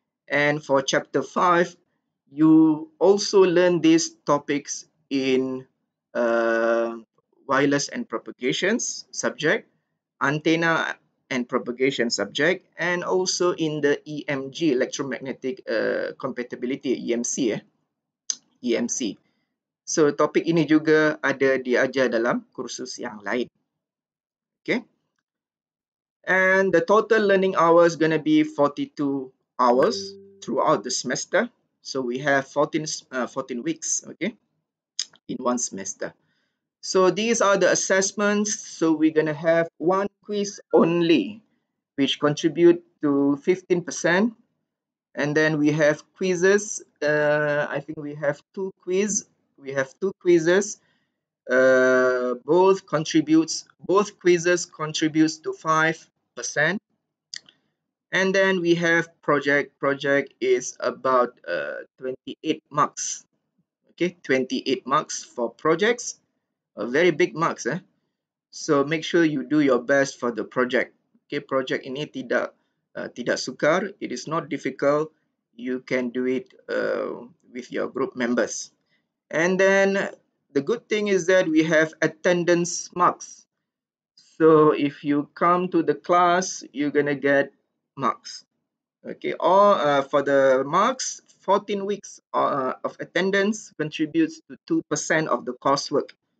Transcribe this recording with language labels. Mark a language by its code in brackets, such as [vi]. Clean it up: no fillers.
[en] And for chapter 5, you also learn these topics in wireless and propagations subject, antenna and propagation subject, and also in the EMG, electromagnetic compatibility, EMC. EMC. [ms] So topik ini juga ada diajar dalam kursus yang lain. [en] Okay. And the total learning hours going to be 42 hours throughout the semester. So we have 14 weeks, okay, in one semester. So these are the assessments. So we're going to have one quiz only, which contribute to 15%. And then we have quizzes. I think we have two quiz. We have two quizzes. Both quizzes contributes to 5%. And then we have project. Project is about 28 marks. Okay, 28 marks for projects. A very big marks, eh? So make sure you do your best for the project. [ms] Okay, project ini tidak sukar. [en] It is not difficult. You can do it with your group members. And then the good thing is that we have attendance marks. So if you come to the class, you're gonna get marks. Okay, all for the marks, 14 weeks of attendance contributes to 2% of the coursework.